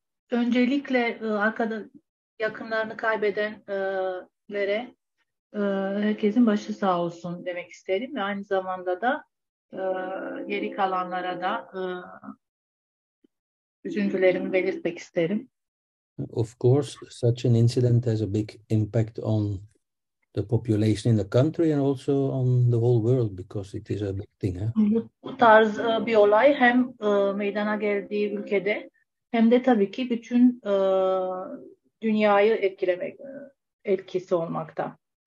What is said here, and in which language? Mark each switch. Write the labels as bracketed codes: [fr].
[tr] Öncelikle yakınlarını kaybedenlere herkesin başı sağ olsun demek isterim ve aynı zamanda da geri kalanlara da üzüntülerimi belirtmek isterim. [en] Of course, such an incident has a big impact on the population in the country and also on the whole world because it is a big thing. [tr] Bu tarz bir olay hem meydana geldiği ülkede hem de tabii ki bütün dünyayı etkisi olmakta.